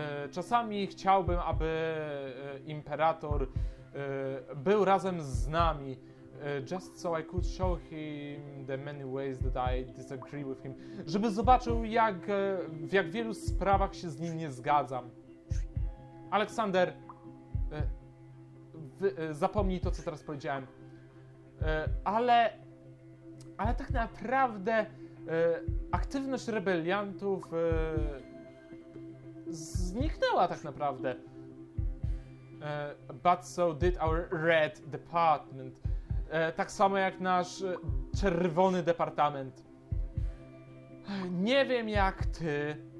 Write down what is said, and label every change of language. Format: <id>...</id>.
<pl>Czasami chciałbym, aby imperator był razem z nami.</pl> <en>Just so I could show him the many ways that I disagree with him.</en> <pl>Żeby zobaczył, jak w jak wielu sprawach się z nim nie zgadzam. Aleksander, zapomnij to, co teraz powiedziałem. Ale tak naprawdę aktywność rebeliantów zniknęła tak naprawdę.</pl> <en>But so did our red department.</en> <pl>Tak samo jak nasz czerwony departament. Nie wiem jak ty.</pl>